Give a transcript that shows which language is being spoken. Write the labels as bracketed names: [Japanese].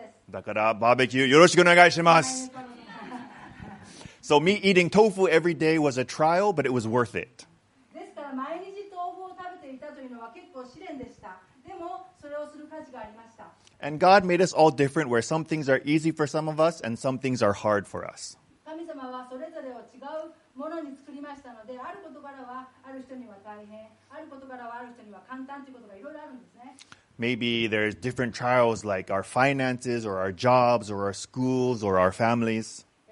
[Japanese] だからバーベキューよろしくお願いします。 [English] So me eating tofu every day was a trial, but it was worth it. [Japanese] ですから毎日豆腐を食べていたというのは結構試練でした。でもそれをする価値がありました。 [English] And God made us all different, where some things are easy for some of us and some things are hard for us. [Japanese] 神様はそれぞれを違うものに作りましたので、あることからはある人には大変、あることからはある人には簡単ということがいろいろあるんですね。 [English] Maybe there's different trials like our finances or our jobs or our schools or our families.